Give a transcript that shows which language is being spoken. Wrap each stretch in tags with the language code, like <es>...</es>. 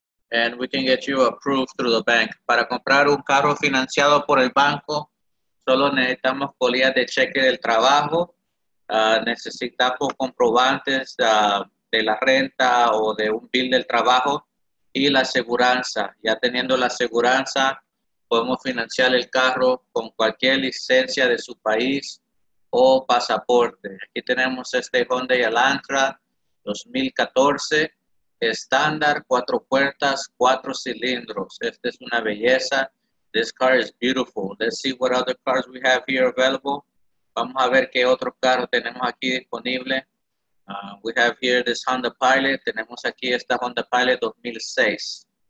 <en>And we can get you approved through the bank.</en> <es>Para comprar un carro financiado por el banco, solo necesitamos folias de cheque del trabajo, necesitamos comprobantes de la renta o de un bill del trabajo y la aseguranza. Ya teniendo la aseguranza, podemos financiar el carro con cualquier licencia de su país o pasaporte. Aquí tenemos este Hyundai Elantra 2014, estándar, cuatro puertas, cuatro cilindros. Esta es una belleza.</es> <en>This car is beautiful. Let's see what other cars we have here available.</en> <es>Vamos a ver qué otro carro tenemos aquí disponible.</es> <en>We have here this Honda Pilot.</en> <es>Tenemos aquí esta Honda Pilot 2006.</es>